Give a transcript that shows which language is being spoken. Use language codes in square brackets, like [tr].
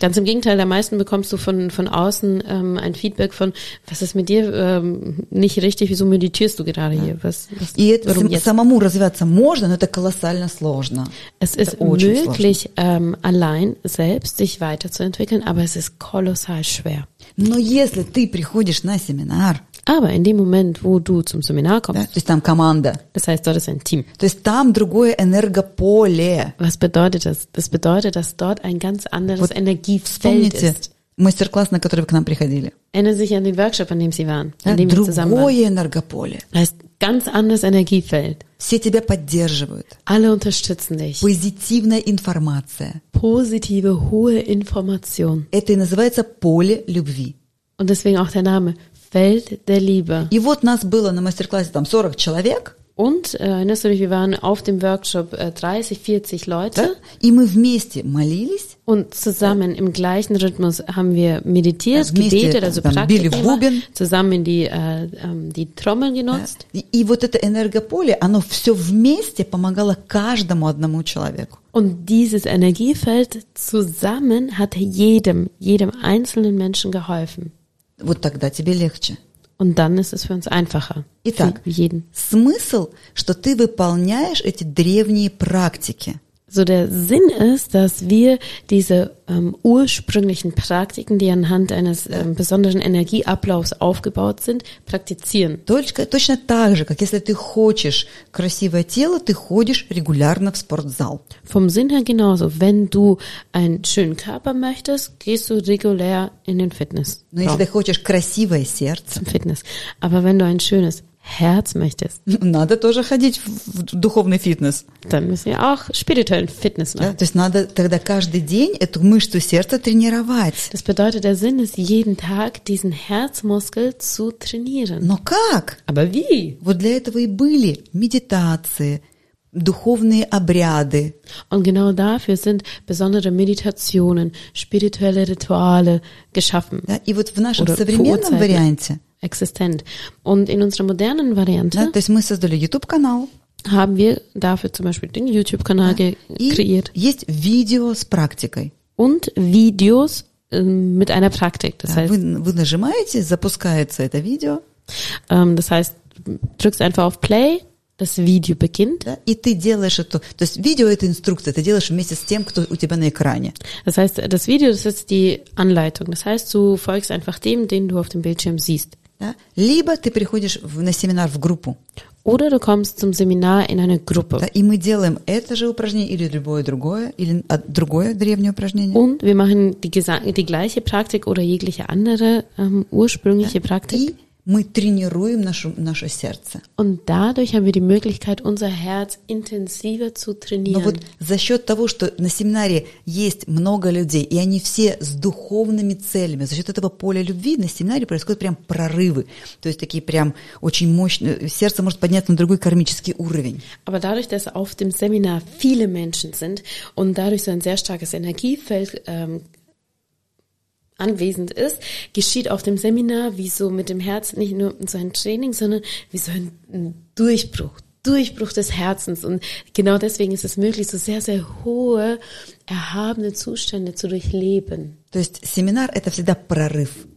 [de] Ganz im Gegenteil, am meisten bekommst du von außen ein Feedback von, was ist mit dir nicht richtig, wieso meditierst du gerade hier? Warum jetzt? [ru] Самому развиваться можно, но это колоссально сложно. [de] Es ist möglich, allein selbst sich weiterzuentwickeln, aber es ist kolossal schwer. [ru] Но если ты приходишь на семинар, [de] aber in dem Moment, wo du zum Seminar kommst, [ru] да, то есть там команда, [de] das heißt, dort ist ein Team, [ru] то есть там другое энергополе. [de] Was bedeutet das? Das bedeutet, dass dort ein ganz anderes [ru] вот [de] Energiefeld [ru] вспомните, [de] ist. [ru] Вспомните мастер-класс, на который вы к нам приходили. [de] Erinnern sich an den Workshop, an dem sie waren, [ru] да, [de] in dem [ru] другое [de] wir zusammen waren. [ru] Энергополе. [de] Das heißt, ganz anderes Energiefeld. [ru] Все тебя поддерживают. [de] Alle unterstützen dich. [ru] Позитивная информация. [de] Positive, hohe Information. [ru] Это и называется поле любви. [de] Und deswegen auch der Name, Feld der Liebe. [ru] И вот нас было на мастер-классе там 40 человек. [de] Und erinnerst du dich, wir waren auf dem Workshop 30, 40 Leute. [ru] Да? И мы вместе молились. [de] Und zusammen, [ru] да, [de] im gleichen Rhythmus haben wir meditiert, ja, [ru] вместе, [de] gebetet, also Praktika, zusammen die, die Trommel genutzt. [ru] Да. И вот это энергополе, оно все вместе помогало каждому одному человеку. [de] Und dieses Energiefeld zusammen hat jedem einzelnen Menschen geholfen. [ru] Вот тогда тебе легче. [de] Und dann ist es für uns einfacher. [ru] Итак, [de] für jeden. [ru] Смысл, что ты выполняешь эти древние практики. [de] So der Sinn ist, dass wir diese ursprünglichen Praktiken, die anhand eines besonderen Energieablaufs aufgebaut sind, praktizieren. [ru] Точно так же, как если ты хочешь красивое тело, ты ходишь регулярно в спортзал. [de] Vom Sinn her genauso. Wenn du einen schönen Körper möchtest, gehst du regulär in den Fitness. [ru] Но если ты хочешь красивое сердце, [de] zum Fitness. Aber wenn du ein schönes Herz möchtest. [ru] Надо тоже ходить в духовный фитнес. [de] Dann müssen wir auch spirituellen Fitness machen. [ru] Да, то есть надо тогда каждый день эту мышцу сердца тренировать. [de] Das bedeutet, der Sinn ist, jeden Tag diesen Herzmuskel zu trainieren. [ru] Но как? [de] Aber wie? [ru] Вот для этого и были медитации, духовные обряды. [de] Und genau dafür sind besondere Meditationen, spirituelle Rituale geschaffen. [ru] Да, и вот в нашем современном варианте [de] existent. Und in unserer modernen Variante, [ru] да, то есть мы создали YouTube-канал, [de] haben wir dafür zum Beispiel den YouTube-Kanal, [ru] да, [de] kreiert. [ru] Есть видео с практикой. [de] Und Videos mit einer Praktik. Das, [ru] да, [de] heißt, [ru] вы нажимаете, запускается это видео. [de] Das heißt, drückst einfach auf Play, das Video beginnt. [ru] Да, и ты делаешь это, то есть видео – это инструкция, ты делаешь вместе с тем, кто у тебя на экране. [de] Das heißt, das Video, das ist die Anleitung. Das heißt, du folgst einfach dem, den du auf dem Bildschirm siehst. [ru] Да, либо ты приходишь на семинар в группу. [de] Oder du kommst zum Seminar in eine Gruppe. [ru] Да, и мы делаем это же упражнение или любое другое, или другое древнее упражнение. [de] Und wir machen die gleiche Praktik oder jegliche andere ursprüngliche, [ru] да, [de] Praktik. [ru] И Мы тренируем наше сердце. [de] Und dadurch haben wir die Möglichkeit, unser Herz intensiver zu trainieren. [ru] Но вот за счет того, что на семинаре есть много людей, и они все с духовными целями, за счет этого поля любви на семинаре происходят прям прорывы. То есть такие прям очень мощные, сердце может подняться на другой кармический уровень. [de] Aber dadurch, dass auf dem Seminar viele Menschen sind und dadurch so ein sehr starkes Energiefeld anwesend ist, geschieht auf dem Seminar wie so mit dem Herz nicht nur so ein Training, sondern wie so ein Durchbruch, Durchbruch des Herzens. Und genau deswegen ist es möglich, so sehr, sehr hohe, erhabene Zustände zu durchleben. [ru] То есть семинар – это всегда прорыв.